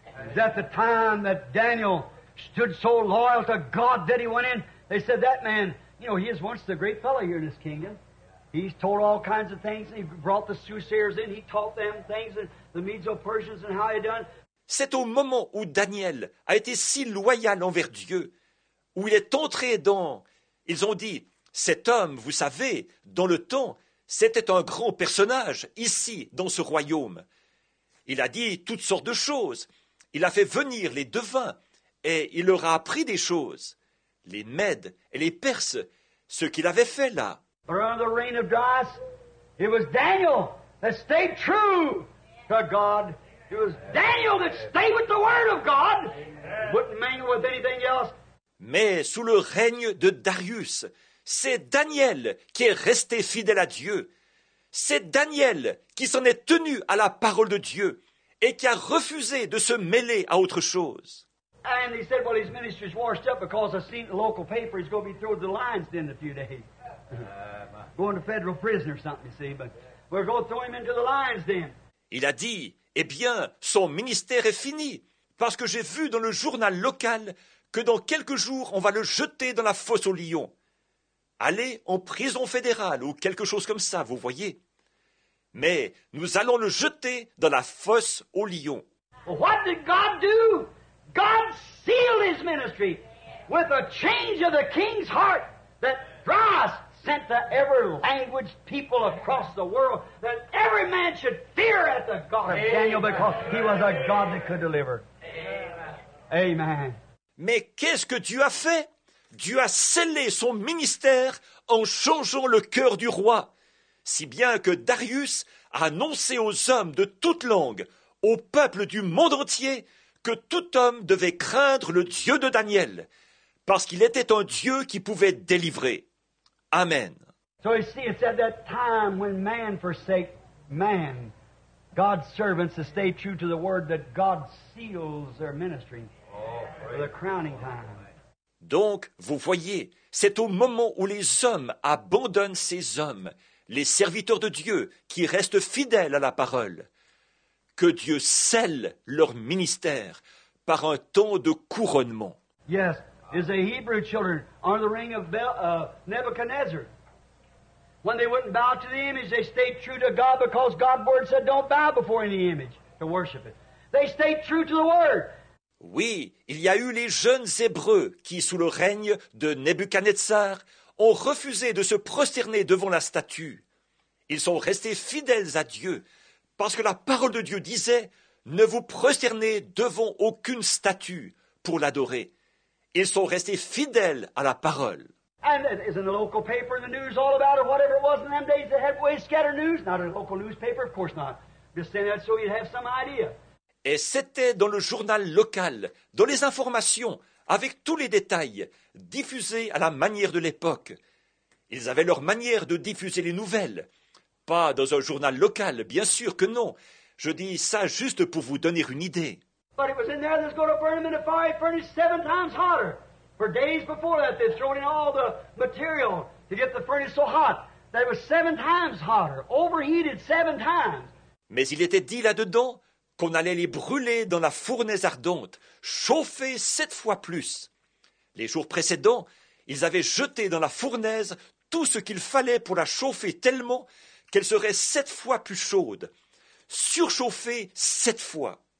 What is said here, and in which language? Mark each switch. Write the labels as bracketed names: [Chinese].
[English] Is that the time that Daniel stood so loyal to God that he went in? They said that man, you know, he is once the great fellow here in this kingdom. He's told all kinds of things. He brought the soothsayers in. He taught them things and the Medo-Persians and how he done. [French] C'est au moment où Daniel a été si loyal envers Dieu, où il est entré dans. Ils ont dit, cet homme, vous savez, dans le temps, c'était un grand personnage ici dans ce royaume. Il a dit toutes sortes de choses. Il a fait venir les devins et il leur a appris des choses, les Mèdes et les Perses, ce qu'il avait fait là. [English] But under the reign of Darius, it was Daniel that stayed true to God. It was Daniel that stayed with the word of God, wouldn't mingle with anything else. [French] Mais sous le règne de Darius, c'est Daniel qui est resté fidèle à Dieu. C'est Daniel qui s'en est tenu à la parole de Dieu et qui a refusé de se mêler à autre chose. [English] And he said, well, his ministry's washed up because I've seen the local paper. He's going to be thrown to the lions in a few days. Going to federal prison or something, you see, but we're going to throw him into the lions then. [French] Il a dit, eh bien, son ministère est fini, parce que j'ai vu dans le journal local que dans quelques jours, on va le jeter dans la fosse aux lions. Aller en prison fédérale ou quelque chose comme ça, vous voyez. Mais nous allons le jeter dans la fosse aux lions. [English] What did God do? God sealed his ministry with a change of the king's heart that Darius sent to every language people across the world that every man should fear at the God of Daniel because he was a God that could deliver. Amen. [French] Mais qu'est-ce que Dieu a fait? Dieu a scellé son ministère en changeant le cœur du roi, si bien que Darius a annoncé aux hommes de toute langue, au peuple du monde entier, que tout homme devait craindre le Dieu de Daniel, parce qu'il était un Dieu qui pouvait délivrer. Amen. [English] So you see, it's at that time when man forsake man, God's servants to stay true to the word that God seals their ministry for the crowning time. [French] Donc, vous voyez, c'est au moment où les hommes abandonnent ces hommes, les serviteurs de Dieu qui restent fidèles à la parole, que Dieu scelle leur ministère par un temps de couronnement. [English] Yes, is the Hebrew children under the reign of Nebuchadnezzar. When they wouldn't bow to the image, they stayed true to God because God's word said don't bow before any image to worship it. They stayed true to the word. [French] Oui, il y a eu les jeunes Hébreux qui, sous le règne de Nebuchadnezzar, ont refusé de se prosterner devant la statue. Ils sont restés fidèles à Dieu, parce que la parole de Dieu disait « Ne vous prosternez devant aucune statue pour l'adorer. » Ils sont restés fidèles à la parole. [English] And is in the local paper in the news all about it, whatever it was in them days, they had way scattered news. Not a local newspaper, of course not. Just saying that so you'd have some idea. [French] Et c'était dans le journal local, dans les informations, avec tous les détails, diffusés à la manière de l'époque. Ils avaient leur manière de diffuser les nouvelles. Pas dans un journal local, bien sûr que non. Je dis ça juste pour vous donner une idée. [English] But it was in there that's going to burn them in a fiery furnace seven times hotter. For days before that, they've thrown in all the material to get the furnace so hot that it was seven times hotter, overheated seven times. [French] Mais il était dit là-dedans qu'on allait les brûler dans la fournaise ardente, chauffée sept fois plus. Les jours précédents, ils avaient jeté dans la fournaise tout ce qu'il fallait pour la chauffer tellement qu'elle serait sept fois plus chaude, surchauffée sept fois.